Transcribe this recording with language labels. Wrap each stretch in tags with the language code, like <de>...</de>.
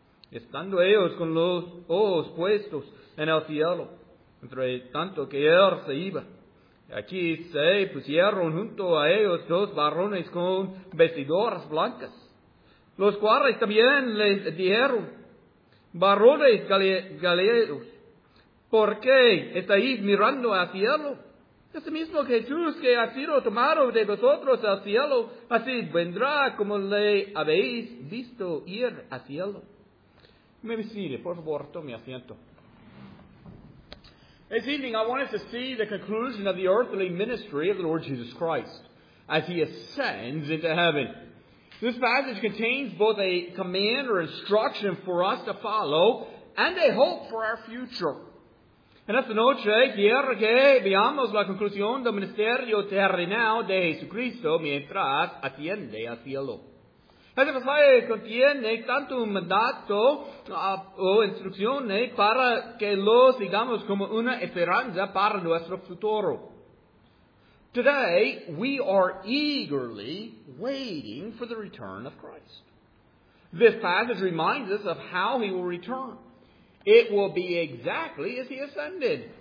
<es>Estando ellos con los ojos puestos en el cielo, entre tanto que él se iba, aquí se pusieron junto a ellos dos varones con vestiduras blancas, los cuales también les dijeron, Varones galileos, ¿por qué estáis mirando al cielo? Ese mismo Jesús que ha sido tomado de vosotros al cielo, así vendrá como le habéis visto ir al cielo. Me sirve, por favor, tome asiento.</es> <en>This evening I wanted to see the conclusion of the earthly ministry of the Lord Jesus Christ as he ascends into heaven. This passage contains both a command or instruction for us to follow and a hope for our future.</en> <es>En esta noche, quiero que veamos la conclusión del ministerio terrenal de Jesucristo mientras asciende al cielo. Este pasaje contiene tanto un mandato o instrucciones para que lo sigamos como una esperanza para nuestro futuro.</es> <en>Today, we are eagerly waiting for the return of Christ. This passage reminds us of how he will return. It will be exactly as he ascended.</en>